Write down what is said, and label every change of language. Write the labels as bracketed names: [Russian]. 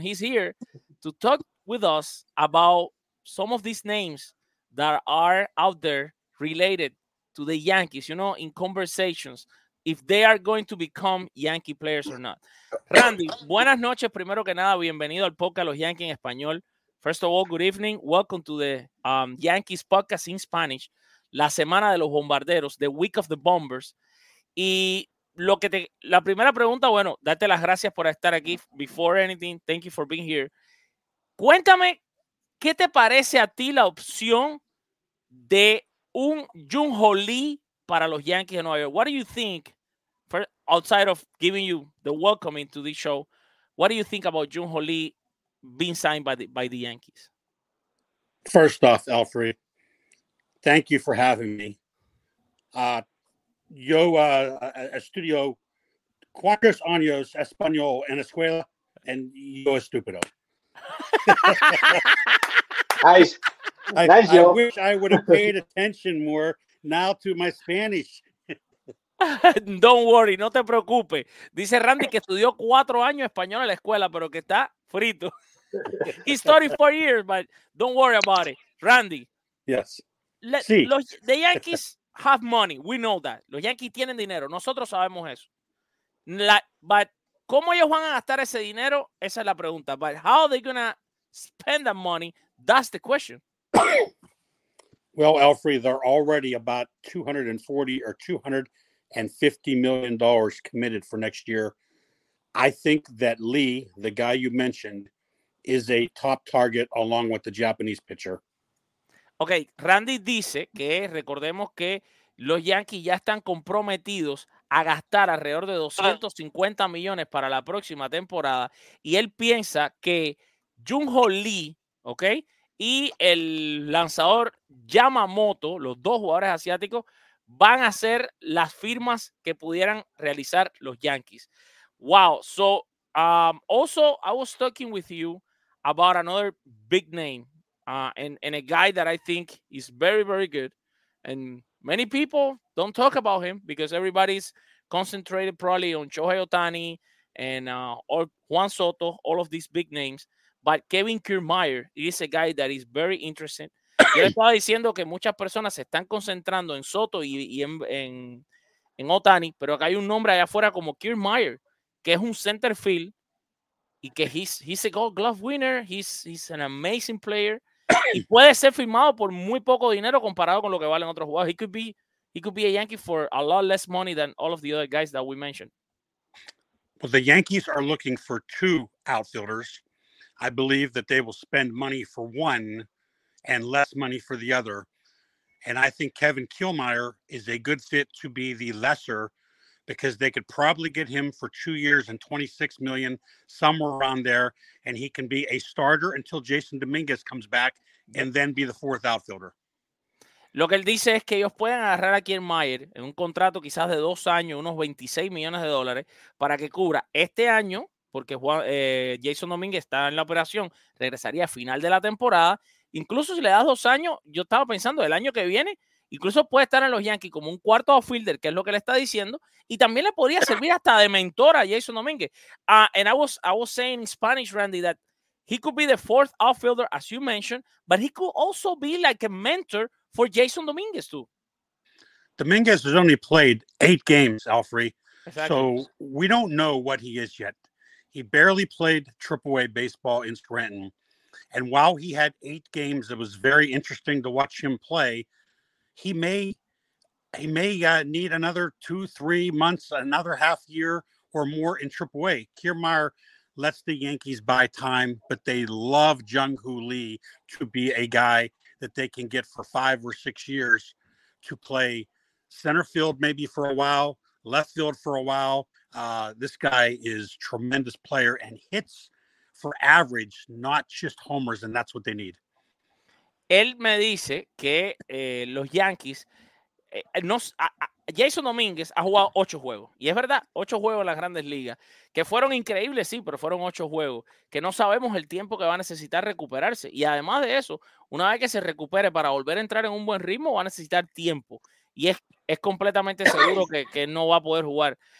[English] He's here to talk with us about some of these names that are out there related to the Yankees, you know, in conversations, if they are going to become Yankee players or not. [Spanish] Randy, buenas noches, primero que nada, bienvenido al podcast Los Yankees en Español. [English] First of all, good evening, welcome to the Yankees podcast in Spanish, [Spanish] la semana de los bombarderos, [English] the week of the bombers. [Spanish] Y lo que la primera pregunta, bueno, darte las gracias por estar aquí. [English] Before anything, thank you for being here. [Spanish] Cuéntame, ¿qué te parece a ti la opción de un Junho Lee para los Yankees de Nueva York? [English] What do you think, for, outside of giving you the welcome into this show, what do you think about Junho Lee being signed by the Yankees? First off, Alfred, thank you for having me. [Spanish] Yo estudio cuatro años español en escuela and yo estúpido. [English] Nice. I wish I would have paid attention more now to my Spanish. Don't worry, [Spanish] no te preocupes. Dice Randy que estudió 4 años español en la escuela, pero que está frito. [English] He studied 4 years, but don't worry about it. Randy. Yes. The Yankees have money. We know that. [Spanish] Los Yankees tienen dinero. Nosotros sabemos eso. But ¿cómo ellos van a gastar ese dinero? Esa es la pregunta. [English] But how are they going to spend that money? That's the question. Well, Alfred, they're already about $240 or $250 million committed for next year. I think that Lee, the guy you mentioned, is a top target along with the Japanese pitcher. [Spanish] Okay, Randy dice que recordemos que los Yankees ya están comprometidos a gastar alrededor de 250 millones para la próxima temporada, y él piensa que Junho Lee, okay, y el lanzador Yamamoto, los dos jugadores asiáticos, van a ser las firmas que pudieran realizar los Yankees. [English] Wow. So, also, I was talking with you about another big name and a guy that I think is very, very good. And many people don't talk about him because everybody's concentrated probably on Shohei Ohtani and Juan Soto, all of these big names. But Kevin Kiermaier is a guy that is very interesting. [Spanish] Yo le estaba diciendo que muchas personas se están concentrando en Soto y en Ohtani, pero acá hay un nombre allá afuera como Kiermaier, que es un center field y que [English] he's a gold glove winner. He's an amazing player. [Spanish] Y puede ser firmado por muy poco dinero comparado con lo que valen otros jugadores. [English] He could be a Yankee for a lot less money than all of the other guys that we mentioned. Well, the Yankees are looking for two outfielders. I believe that they will spend money for one and less money for the other. And I think Kevin Kiermaier is a good fit to be the lesser because they could probably get him for 2 years and $26 million, somewhere around there. And he can be a starter until Jason Dominguez comes back and then be the fourth outfielder. [Spanish] Lo que él dice es que ellos pueden agarrar a Kiermaier en un contrato quizás de 2 años, unos $26 millones, para que cubra este año, porque Jason Domínguez está en la operación, regresaría a final de la temporada. Incluso si le das 2 años, yo estaba pensando el año que viene, Incluso puede estar en los Yankees como un cuarto outfielder, que es lo que le está diciendo, y también le podría servir hasta de mentor a Jason Domínguez. [English] And I was saying in Spanish, Randy, that he could be the fourth outfielder, as you mentioned, but he could also be like a mentor for Jason Domínguez, too. Domínguez has only played 8 games, Alfrey. Exactly. So we don't know what he is yet. He barely played Triple-A baseball in Scranton. And while he had 8 games, it was very interesting to watch him play. He may need another 2-3 months, another half year or more in Triple-A. Kiermaier lets the Yankees buy time, but they love Jung-Hoo Lee to be a guy that they can get for 5 or 6 years to play center field maybe for a while, left field for a while. This guy is a tremendous player and hits for average, not just homers, and that's what they need. [Spanish] Él me dice que los Yankees, Jason Domínguez ha jugado 8 juegos, y es verdad, 8 juegos en las grandes ligas, que fueron increíbles, sí, pero fueron 8 juegos, que no sabemos el tiempo que va a necesitar recuperarse, y además de eso, una vez que se recupere para volver a entrar en un buen ritmo, va a necesitar tiempo, y es completamente seguro que no va a poder jugar.